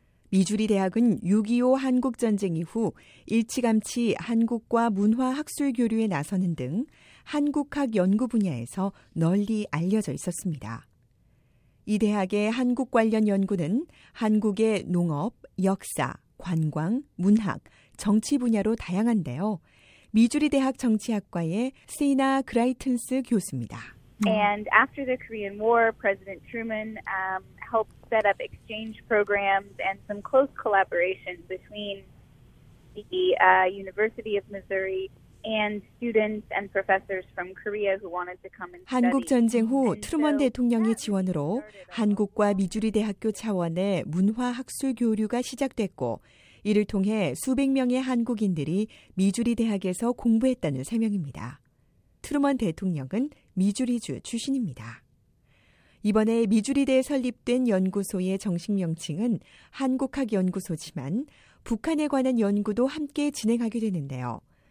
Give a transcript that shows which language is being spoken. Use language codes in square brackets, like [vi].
[ko] 미주리 대학은 6.25 한국전쟁 이후 일찌감치 한국과 문화학술 교류에 나서는 등 한국학 연구 분야에서 널리 알려져 있었습니다. 이 대학의 한국 관련 연구는 한국의 농업, 역사, 관광, 문학, 정치 분야로 다양한데요. 미주리 대학 정치학과의 세이나 그라이튼스 교수입니다. [en] And after the Korean War, President Truman helped set up exchange programs and some close collaboration between the University of Missouri and students and professors from Korea who wanted to come and study. [ko] 한국 전쟁 후 트루먼 대통령의 지원으로 한국과 미주리 대학교 차원의 문화 학술 교류가 시작됐고 이를 통해 수백 명의 한국인들이 미주리 대학에서 공부했다는 설명입니다. 트루먼 대통령은 미주리주 출신입니다. 이번에 미주리대에 설립된 연구소의 정식 명칭은 한국학연구소지만 북한에 관한 연구도 함께 진행하게 되는데요.